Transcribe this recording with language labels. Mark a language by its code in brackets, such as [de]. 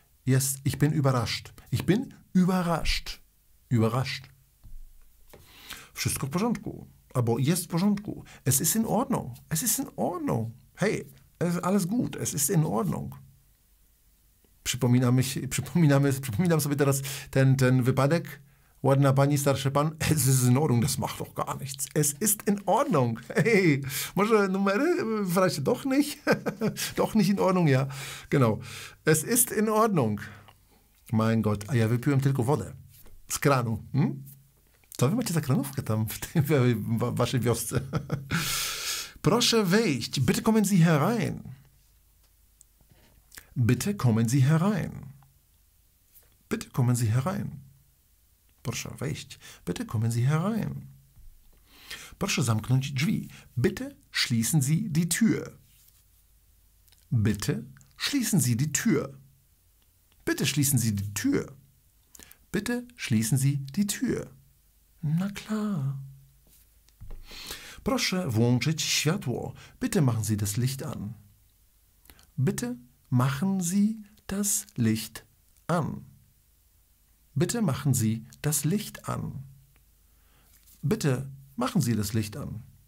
[de] Yes, ich bin überrascht. Ich bin überrascht. Überrascht. [pl] Wszystko w porządku. Albo jest w porządku. [de] Es ist in Ordnung. Es ist in Ordnung. Hey, alles gut. Es ist in Ordnung. [pl] Przypominam sobie teraz ten wypadek. Ładna pani, starszy pan. [de] Es ist in Ordnung. Das macht doch gar nichts. Es ist in Ordnung. Hey, [pl] może numery? [de] Vielleicht doch nicht. doch nicht in Ordnung, ja. Genau. Es ist in Ordnung. Mein Gott, [pl] a ja wypiłem tylko wodę. Z kranu. Hm? Co wy macie za kranówkę tam w waszej wiosce? Proszę wejść. [de] Bitte kommen Sie herein. Bitte kommen Sie herein. Bitte kommen Sie herein. [pl] Proszę wejść. [de] Bitte kommen Sie herein. [pl] Proszę zamknąć drzwi. [de] Bitte schließen Sie die Tür. Bitte schließen Sie die Tür. Bitte schließen Sie die Tür. Bitte schließen Sie die Tür. Na klar. [pl] Proszę włączyć światło. [de] Bitte machen Sie das Licht an. Bitte machen Sie das Licht an. Bitte machen Sie das Licht an. Bitte machen Sie das Licht an.